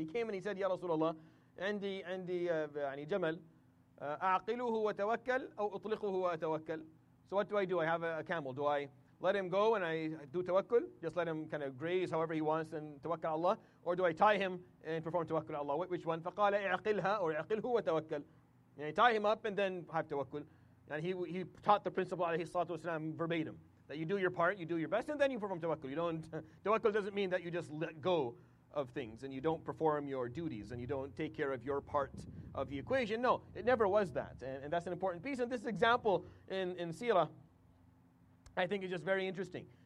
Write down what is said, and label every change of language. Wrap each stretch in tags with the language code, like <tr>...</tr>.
<en>He came and he said, Ya Rasulullah,</en> <ar>عندي جمل أعقله وتوكل أو أطلقه وأتوكل.</ar> <en>So what do? I have a camel. Do I let him go and I do tawakkul? Just let him kind of graze however he wants and tawakkal Allah? Or do I tie him and perform tawakkul Allah? Which one?</en> <ar>فقال إعقلها</ar> <en>or</en> <ar>إعقله وتوكل.</ar> <en>And I tie him up and then have tawakkul. And he taught the principle alayhi salatu wasalam verbatim, that you do your part, you do your best, and then you perform tawakkul. You don't tawakkul doesn't mean that you just let go of things and you don't perform your duties and you don't take care of your part of the equation. No, it never was that. And that's an important piece. And this example in Sirah, I think, is just very interesting.</en>